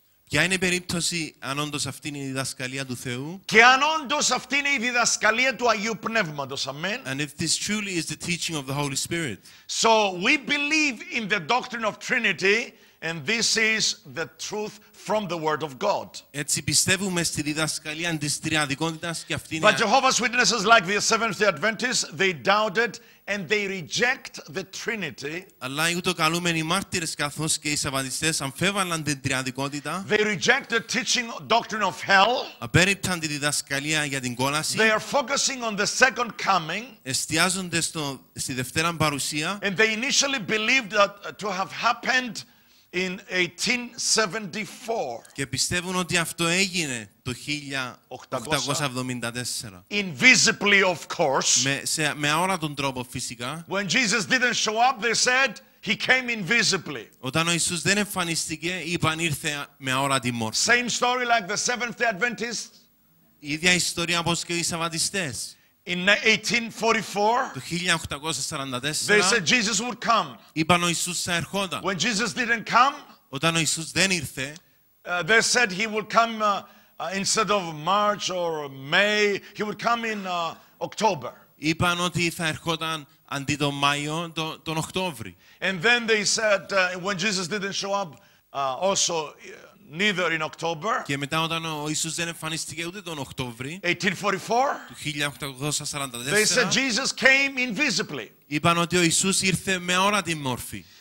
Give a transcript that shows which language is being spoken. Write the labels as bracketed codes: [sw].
[el] Ποια είναι η περίπτωση αν όντως αυτή είναι η διδασκαλία του Θεού; Και αν όντως αυτή είναι η διδασκαλία του Αγίου Πνεύματος, αμέν. [en] And if this truly is the teaching of the Holy Spirit. So we believe in the doctrine of Trinity, and this is the truth from the Word of God. [el] Έτσι πιστεύουμε στη διδασκαλία της Τριαδικότητας και αυτή είναι. [en] But Jehovah's Witnesses, like the Seventh-day Adventists, they doubted. And they reject the Trinity. [el] Αλλά ούτω καλούμενοι μάρτυρες καθώς και οι σαββατιστές αμφέβαλαν την τριαδικότητα. [en] They reject the teaching doctrine of hell. [el] Απέρριπταν τη διδασκαλία για την κόλαση. [en] They are focusing on the second coming. [el] Εστιάζονται στη δεύτερη παρουσία. [en] And they initially believed that to have happened in 1874. [el] Και πιστεύουν ότι αυτό έγινε το 1874. [en] Invisibly, of course. [el] Με αόρατον τρόπο, φυσικά. [en] When Jesus didn't show up, they said he came invisibly. [el] Όταν ο Ιησούς δεν εμφανίστηκε, είπαν ήρθε με αόρατη μόρφη. [en] Same story like the Seventh-day Adventists. [el] Ίδια ιστορία όπως και οι Σαββατιστές. [en] In 1844, they said Jesus would come. [el] Είπαν ο Ιησούς θα ερχόταν. [en] When Jesus didn't come, [el] όταν ο Ιησούς δεν ήρθε, [en] they said he would come instead of March or May, he would come in October. [el] Είπαν ότι θα ερχόταν αντί τον Μάιο, τον Οκτώβρη. [en] And then they said when Jesus didn't show up, also neither in October. [el] Και μετά όταν ο Ιησούς δεν εμφανίστηκε ούτε τον Οκτώβρη. [en] 1844. [el] Του 1844. [en] They said Jesus came invisibly. [el] Είπαν ότι ο Ιησούς ήρθε με αόρατη μόρφη.